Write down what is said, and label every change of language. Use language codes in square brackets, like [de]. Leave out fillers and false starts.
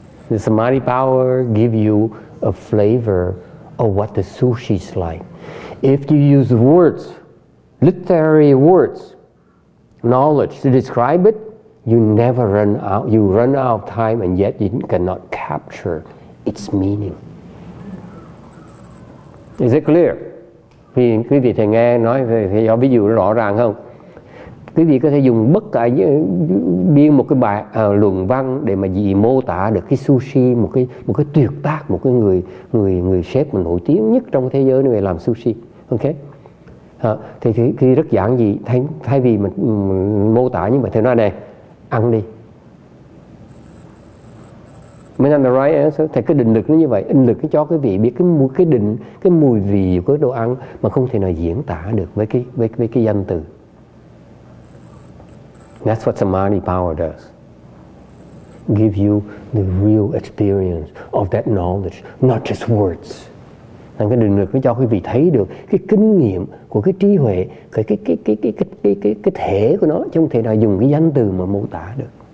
[en] The samadhi power give you a flavor of what the sushi's like. If you use words, literary words, knowledge to describe it, you never run out. You run out of time, and yet you cannot capture its meaning. Is it clear? [vi] Quý vị thầy nghe nói thì ví dụ rõ ràng không? Quý vị có thể dùng bất cả biên một cái bài luận văn để mà gì mô tả được cái sushi, một cái tuyệt tác, một cái người chef mà nổi tiếng nhất trong thế giới này làm sushi, ok? Thì rất giản dị, thay vì mình mô tả như vậy thì nói này, ăn đi. Mình ăn [en] the right answer, [vi] thì cái định lực nó như vậy, định lực nó cho quý vị biết cái mùi vị của đồ ăn mà không thể nào diễn tả được với cái danh từ. [en] That's what samadhi power does. Give you the real experience of that knowledge, not just words. [vi] Thành cái định lực nó cho quý vị thấy được cái kinh nghiệm của cái trí huệ, cái thể của nó, chứ không thể nào dùng cái danh từ mà mô tả được.